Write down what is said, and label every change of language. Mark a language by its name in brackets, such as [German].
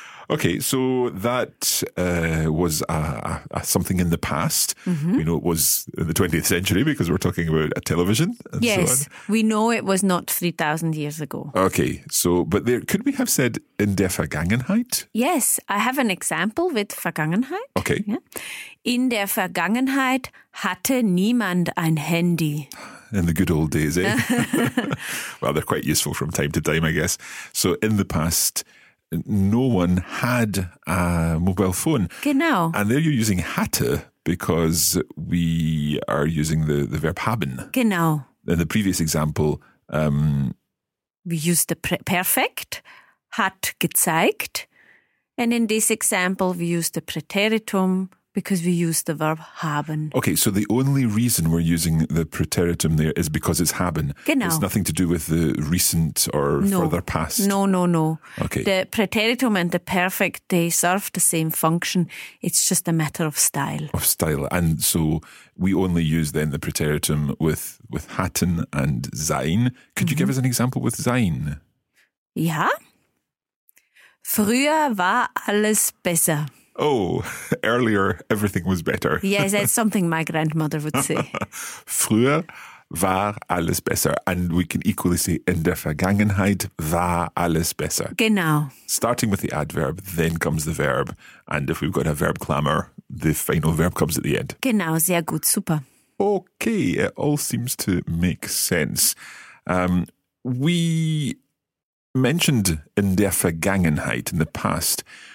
[English] Okay, so that was something in the past. Mm-hmm. We know it was in the 20th century because we're talking about a television and yes, so on. Yes, we know it was not 3,000 years ago. Okay, so, but there, could we have said [German] in der Vergangenheit? [English] Yes, I have an example with Vergangenheit. Okay. Yeah. [German] In der Vergangenheit hatte niemand ein Handy. [English] In the good old days, eh? Well, they're quite useful from time to time, I guess. So in the past, no one had a mobile phone. [German] Genau. [English] And there you're using hatte because we are using the verb haben. [German] Genau. [English] In the previous example, we used the perfect, [German] hat gezeigt. [English] And in this example, we used the preteritum because we used the verb haben. Okay, so the only reason we're using the preteritum there is because it's haben. [German] Genau. [English] It's nothing to do with the recent or no. further past. No, no, no. Okay. The preteritum and the perfect, they serve the same function. It's just a matter of style. Of style. And so we only use then the preteritum with hatten and sein. Could mm-hmm. you give us an example with sein? [German] Ja. Früher war alles besser. [English] Oh, earlier everything was better. Yes, that's something my grandmother would say. [German] Früher war alles besser. [English] And we can equally say [German] in der Vergangenheit war alles besser. Genau. [English] Starting with the adverb, then comes the verb. And if we've got a verb klammer, the final verb comes at the end. [German] Genau, sehr gut, super. [English] Okay, it all seems to make sense. We mentioned [German] in der Vergangenheit, [English] in the past.